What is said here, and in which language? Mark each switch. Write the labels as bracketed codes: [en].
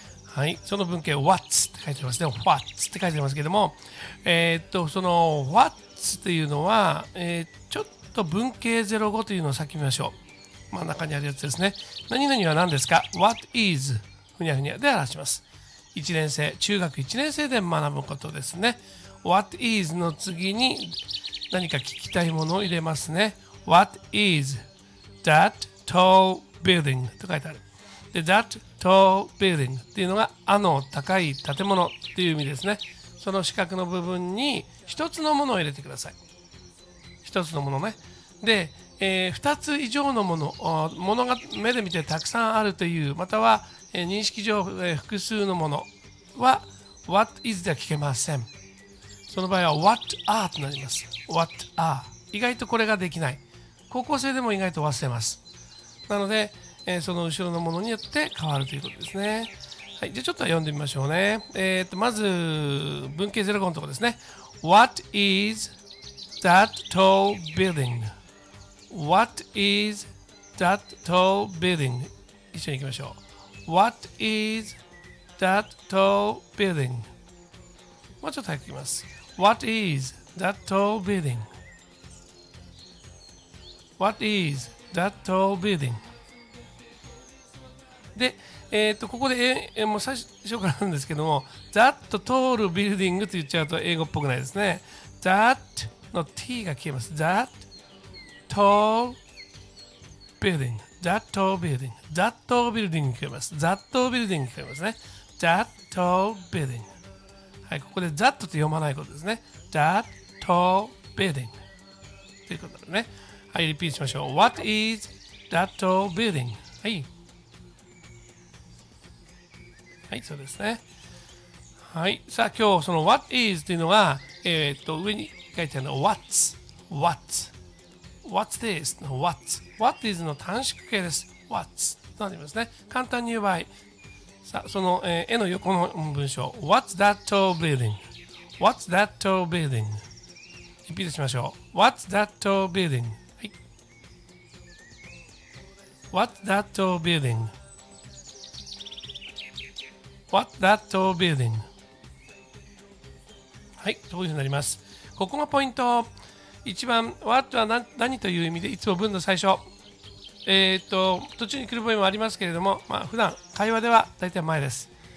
[ja] はい、その文型 What's って書いてますね。What's って書いてますけども、その What's っていうのは、ちょっと文型05というのを先見ましょう。真ん中にあるやつですね。何々は何ですか、 What is ふにゃふにゃで表します。 1年生、中学1年生で学ぶことですね。What is の次に何か聞きたいものを入れますね。 [en] What is thatTall building [ja] と書いてある。で、that tall building っていうのが、あの高い建物っていう意味ですね。その四角の部分に一つのものを入れてください。一つのものね。で、二つ以上のもの、ものが目で見てたくさんあるという、または、認識上、複数のものは、what is では聞けません。その場合は、what are となります。 [en] what are。 [ja] 意外とこれができない。高校生でも意外と忘れます。なので、その後ろのものによって変わるということですね。はい、じゃあちょっと読んでみましょうね。まず文型05のところですね。 [en] What is that tall building? What is that tall building? [ja] 一緒に行きましょう。 [en] What is that tall building? [ja] もうちょっと早く行きます。 [en] What is that tall building? What is that tall building? [ja] で、ここで、もう最初からなんですけども、that tall building って言っちゃうと英語っぽくないですね。 that の t が消えます。 [en] that tall building。 that tall building。 that tall building [ja] に消えます。 [en] that tall building [ja] に消えますね。 [en] that tall building。 [ja] はい、ここで that って読まないことですね。 [en] that tall building。 [ja] ということでね。はい、リピートしましょう。 [en] what is that tall building? [ja] はい。はい、そうですね。はい、さあ今日その What is というのが、上に書いてあるの What's What's What's this の What's What is の短縮形です。 What's となりますね。簡単に言う場合、さあその、絵の横の文章、 [en] What's that tall building? What's that tall building? [ja] リピートしましょう。 [en] What's that tall building? はい、 What's that tall buildingWhat that tall building? [ja] はい、そういうふうになります。ここがポイント。一番、What は 何という意味で、いつも文の最初。途中に来る場合もありますけれども、まあ、普段、会話では大体前です。